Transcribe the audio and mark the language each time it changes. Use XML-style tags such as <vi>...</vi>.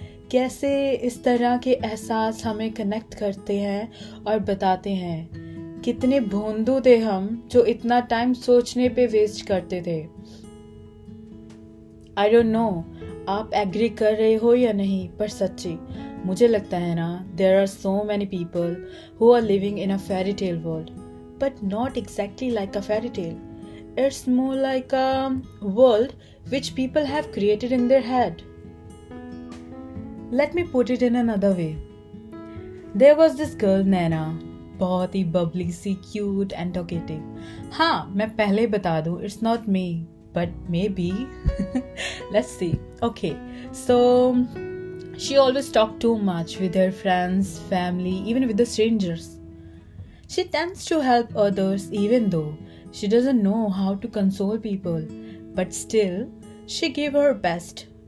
<hi>कैसे इस तरह के एहसास हमें कनेक्ट करते हैं और बताते हैं, कितने भोंदू थे हम जो इतना टाइम सोचने पे वेस्ट करते थे।</hi> <en>I don't know</en> <hi>आप एग्री कर रहे हो या नहीं, पर सच्ची मुझे लगता है ना,</hi> <en>There are so many people who are living in a fairy tale world, but not exactly like a fairy tale. It's more like a world which people have created in their head. Let me put it in another way. There was this girl, Naina,</en> <hi>बहुत ही</hi> <en>bubbly सी, cute and talkative.</en> <hi>हाँ, मैं पहले बता दूँ,</hi> <en>it's not me, but maybe. Let's see. Okay, so she always talked too much with her friends, family, even with the strangers. She tends to help others even though she doesn't know how to console people, but still, she gave her best.</en>